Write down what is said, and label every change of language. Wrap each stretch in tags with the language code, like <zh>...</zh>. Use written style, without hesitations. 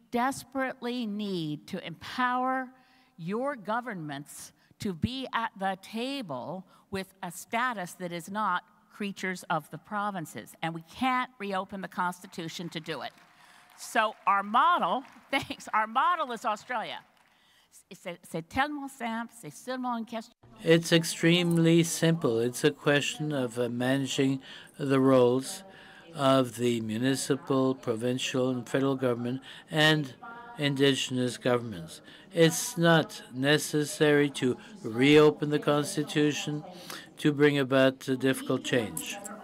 <en>desperately need to empower your governments to be at the table with a status that is not creatures of the provinces. And we can't reopen the Constitution to do it. So our model, thanks, our model is Australia.</en> <fr>C'est tellement simple, c'est seulement une question.</fr> <en>It's extremely simple. It's a question of managing the roles of the municipal, provincial, and federal government and indigenous governments. It's not necessary to reopen the Constitution to bring about a difficult change.</en>